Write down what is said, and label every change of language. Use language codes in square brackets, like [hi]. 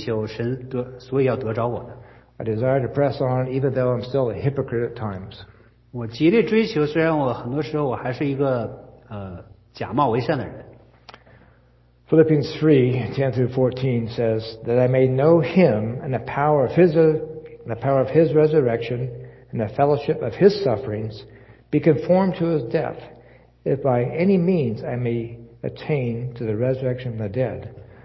[zh] 所以我的祷告就是我在世上剩下的日子就是追求竭力追求神所以要得着我的。 [en] I desire to press on even though I'm still a hypocrite at times. [zh] 我竭力追求虽然我很多时候我还是一个假冒为善的人。 [en] Philippians 3:10-14 says that I may know him and the power of his resurrection and the fellowship of his sufferings, be conformed to his death, if by any means I may attain to the resurrection of the dead.